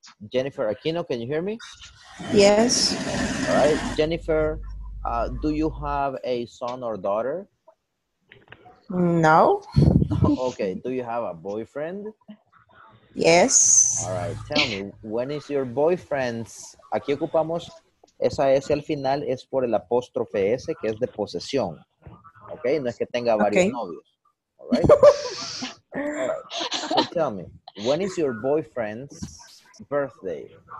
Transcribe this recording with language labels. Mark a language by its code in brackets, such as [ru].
[en] Jennifer Aquino, can you hear me? Yes. All right, Jennifer. Do you have a son or daughter? No. Okay, do you have a boyfriend? Yes. All right, tell me, when is your boyfriend's? [es] Aquí ocupamos esa S al final, es por el apóstrofe S, que es de posesión. Okay, no es que tenga varios novios. [en] All right? All right. So tell me, when is your boyfriend's birthday?